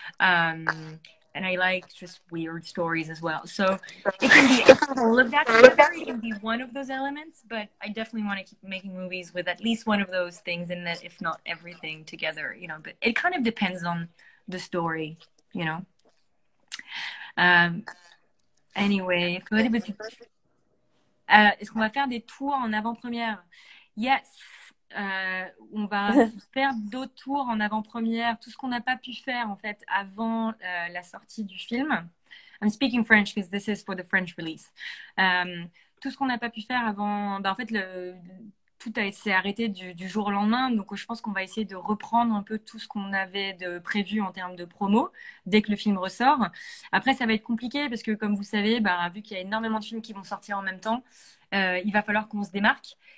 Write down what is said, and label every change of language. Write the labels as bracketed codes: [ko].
[en] And I like just weird stories as well. So it can be all of that. It can be one of those elements, but I definitely want to keep making movies with at least one of those things in that, if not everything together, you know, but it kind of depends on the story, you know. [fr] Anyway, est-ce qu'on va faire des tours en avant-première? Yes, on va faire d'autres tours en avant-première, tout ce qu'on n'a pas pu faire en fait avant la sortie du film. [en] I'm speaking French because this is for the French release. [fr] Tout ce qu'on n'a pas pu faire avant, ben, en fait, tout s'est arrêté du jour au lendemain, donc je pense qu'on va essayer de reprendre un peu tout ce qu'on avait de prévu en termes de promo dès que le film ressort. Après, ça va être compliqué parce que, comme vous savez, bah, vu qu'il y a énormément de films qui vont sortir en même temps, il va falloir qu'on se démarque.